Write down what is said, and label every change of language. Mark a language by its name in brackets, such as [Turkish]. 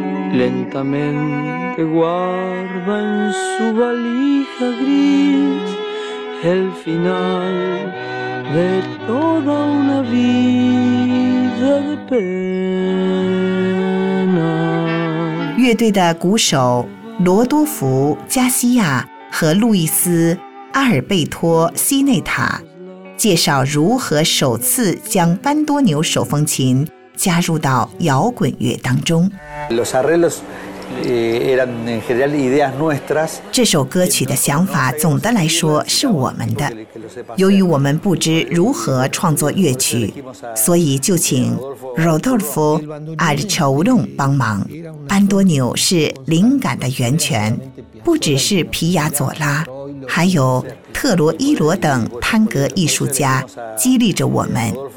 [Spanish] Lentamente guarda en su valija gris el final de toda una vida de pena. [Chinese] 乐队的鼓手罗多福·加西亚和路易斯·阿尔贝托·西内塔介绍如何首次将班多牛手风琴加入到摇滚乐当中。 [Spanish] Los arreglos eran en general ideas nuestras。 [Chinese] 这首歌曲的想法总的来说是我们的。由于我们不知如何创作乐曲，所以就请 Rodolfo Archaulón 帮忙。班多纽是灵感的源泉，不只是皮亚佐拉，还有特罗伊罗等探戈艺术家激励着我们。